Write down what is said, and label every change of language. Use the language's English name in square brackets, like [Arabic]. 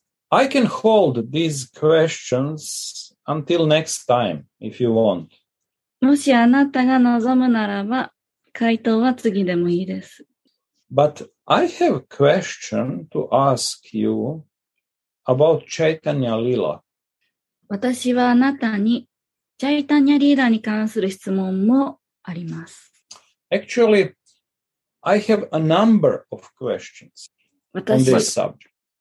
[English] I can hold these questions until next time, if you want. [Japanese] もしあなたが望むならば、回答は次でもいいです。 [English] But I have a question to ask you about Chaitanya Lila. [Japanese] 私はあなたに、チャイタニャリーラに関する質問もあります。 [English] Actually, I have a number of questions on this subject.